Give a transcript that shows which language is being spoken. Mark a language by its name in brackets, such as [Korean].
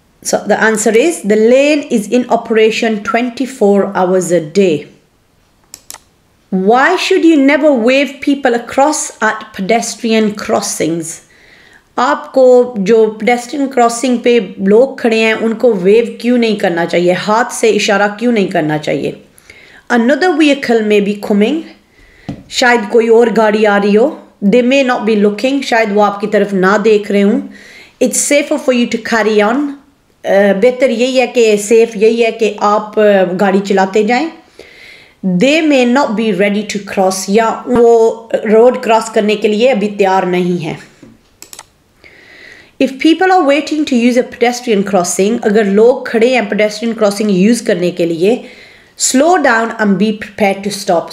[English] So the answer is the lane is in operation 24 hours a day. Why should you never wave people across at pedestrian crossings? [Hindi] आपको जो pedestrian crossing पे लोग खड़े हैं उनको wave क्यों नहीं करना चाहिए, हाथ से इशारा क्यों नहीं करना चाहिए? [English] Another vehicle may be coming. [Hindi] शायद कोई और गाड़ी आ रही हो. [English] They may not be looking. [Hindi] शायद वो आपकी तरफ ना देख रहे हूँ. [English] It's safer for you to carry on. [Hindi] बेहतर यही है कि सेफ यही है कि आप गाड़ी चलाते जाएं. [English] they may not be ready to cross, [Hindi] या वो रोड क्रॉस करने के लिए अभी तैयार नहीं है. [English] if people are waiting to use a pedestrian crossing, [Hindi] अगर लोग खड़े हैं पेडेस्ट्रियन क्रॉसिंग यूज़ करने के लिए, [English] Slow down and be prepare to stop.